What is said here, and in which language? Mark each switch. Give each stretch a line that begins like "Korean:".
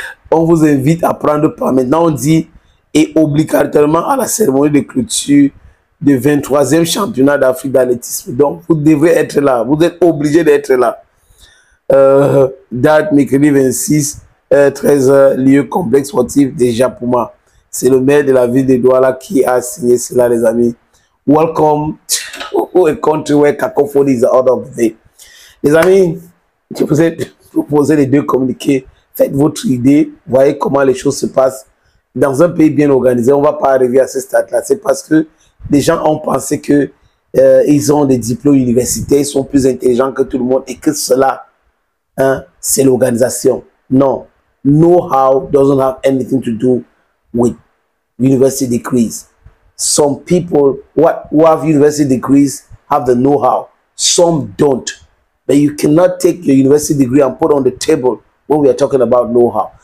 French: On vous invite à prendre part. Maintenant, on dit et obligatoirement à la cérémonie de clôture du 23e championnat d'Afrique d'athlétisme. Donc, vous devez être là. Vous êtes obligé d'être là. Date mercredi 26, 13h, lieu complexe sportif de Japuma. C'est le maire de la ville de Douala qui a signé cela, les amis.
English: Welcome to a country where cacophony is out of the day.
French: Les amis, je vous ai proposé les deux communiqués. Faites votre idée. Voyez comment les choses se passent. Dans un pays bien organisé, on ne va pas arriver à ce stade-là. C'est parce que les gens ont pensé qu'ils ont des diplômes universitaires, ils sont plus intelligents que tout le monde et que cela, hein, c'est l'organisation. Non.
English: Know-how doesn't have anything to do with university degrees. Some people who have university degrees have the know-how. Some don't. But you cannot take your university degree and put it on the table when we are talking about know-how.